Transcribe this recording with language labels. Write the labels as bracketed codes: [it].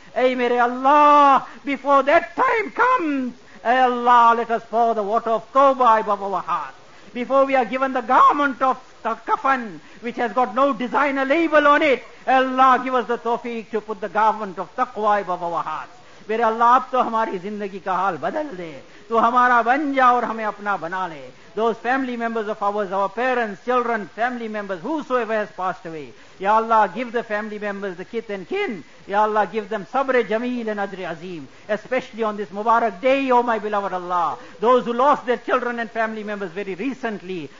[en] Ay, may Allah, before that time comes, ay Allah, let us pour the water of Tawbah above our heart. Before we are given the garment of the kafan, which has got no designer label on it, Allah, give us the tawfiq to put the garment of taqwa above our heart. [ur] میرے اللہ, اب تو ہماری زندگی کا حال بدل دے. تو ہمارا بن جا اور ہمیں اپنا بنا لے. [en] Those family members of ours, our parents, children, family members, whosoever has passed away. Ya Allah, give the family members the kith and kin. Ya Allah, give them sabre jameel and ajre azeem. Especially on this Mubarak day, oh my beloved Allah. Those who lost their children and family members very recently.